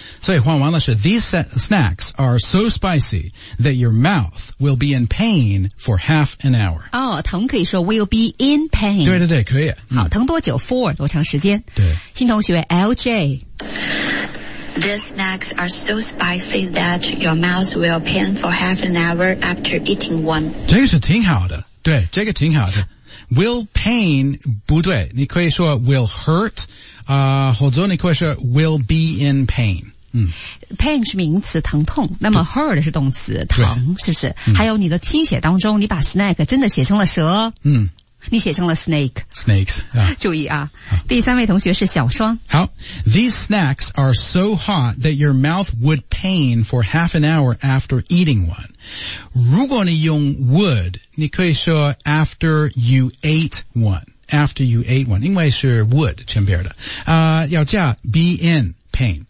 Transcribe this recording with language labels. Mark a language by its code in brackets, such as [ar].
[zh] 所以换完了是 [en] these snacks are so spicy that your mouth will be in pain for half an hour. 哦、oh, [zh] 疼可以说 [en] will be in pain. [zh] 对对对可以。好疼多久 for 多长时间对。新同学 LJ。 [en] These snacks are so spicy that your mouth will pain for half an hour after eating one. [zh] 这个是挺好的，对，这个挺好的。 [en] Will pain [zh] 不对，你可以说 [en] will hurt， [zh] 或者你可以说 [en] will be in pain。 [zh] 嗯、 pain 是名词疼痛那么 hurt 是动词疼是不是、嗯、还有你的听写当中你把 snack 真的写成了蛇嗯，你写成了 snake [en] snakes、yeah. [zh] 注意啊第三位同学是小双 [en] 好 These snacks are so hot that your mouth would pain for half an hour after eating one [zh] 如果你用 [en] would [zh] 你可以说 [en] after you ate one 因为是 would [zh] 前边的、要加 [en] be inPain.